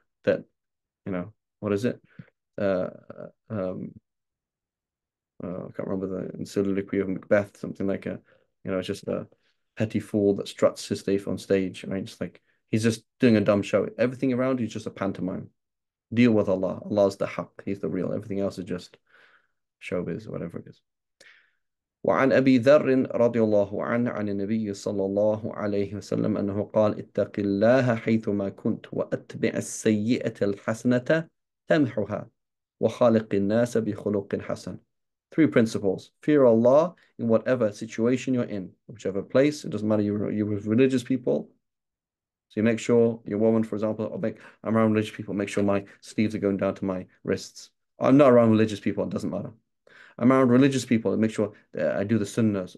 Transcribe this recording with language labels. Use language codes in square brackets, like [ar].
[en] That, what is it? I can't remember the soliloquy of Macbeth, something like a, it's just a petty fool that struts his stuff on stage, right? It's like he's just doing a dumb show. Everything around you is just a pantomime. Deal with Allah. Allah's the haqq. He's the real. Everything else is just showbiz or whatever it is. [ar] وعن أبي ذر رضي الله عنه عن النبي صلى الله عليه وسلم أنه قال اتق الله حيثما كنت وأتبع السيئة الحسنة تمحها وخالق الناس بخلق حسن. [en] Three principles. Fear Allah in whatever situation you're in, whichever place. It doesn't matter you're with religious people. So you make sure your woman, for example, I'm around religious people, make sure my sleeves are going down to my wrists. I'm not around religious people, it doesn't matter. I'm around religious people, make sure that I do the sunnahs.